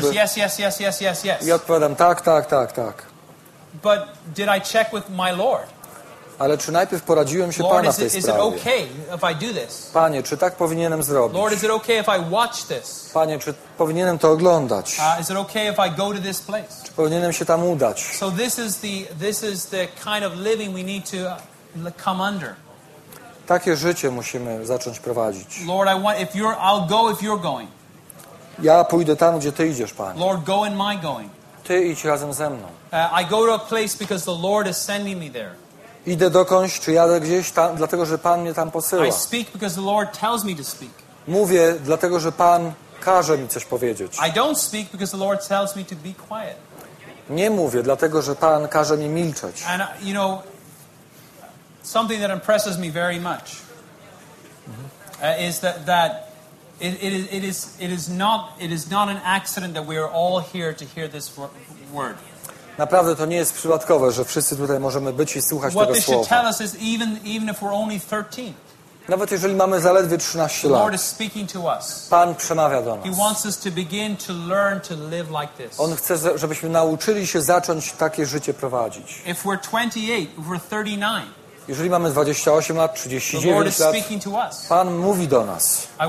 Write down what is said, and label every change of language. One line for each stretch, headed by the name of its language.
English: The answer is yes, yes, yes, yes, yes.
Polish: I odpowiadam tak.
English: But did I check with my Lord?
Polish: Ale czy najpierw poradziłem się
English: Lord,
Polish: Pana w tej sprawie?
English: Is it okay if I do this?
Polish: Panie, czy tak powinienem zrobić?
English: Lord, is it okay if I watch this?
Polish: Panie, czy powinienem to oglądać?
English: Is it okay if I go to this place?
Polish: Czy powinienem się tam udać?
English: So this is the kind of living we need to come under.
Polish: Takie życie musimy zacząć prowadzić.
English: Lord, I'll go if you're going.
Polish: Ja pójdę tam, gdzie ty idziesz, Panie.
English: Lord, go in my going.
Polish: Ty idź razem ze mną.
English: I go to a place because the Lord is sending me there.
Polish: Idę dokądś, czy jadę gdzieś tam, dlatego że Pan mnie tam posyła.
English: I speak because the Lord tells me to speak.
Polish: Mówię, dlatego że Pan każe mi coś powiedzieć.
English: I don't speak because the Lord tells me to be quiet.
Polish: Nie mówię, dlatego że Pan każe mi milczeć.
English: And, you know, something that impresses me very much is that it is not an accident that we are all here to hear this word.
Polish: Naprawdę to nie jest przypadkowe, że wszyscy tutaj możemy być i słuchać
English: What
Polish: tego słowa.
English: Tell us is even if we're only 13,
Polish: nawet jeżeli mamy zaledwie 13 lat,
English: Lord is speaking to us.
Polish: Pan przemawia do nas.
English: He wants us to begin to learn to live like this.
Polish: On chce, żebyśmy nauczyli się zacząć takie życie prowadzić.
English: If we're 28, if we're 39,
Polish: Jeżeli mamy 28 lat, 39 lat, Pan mówi do nas.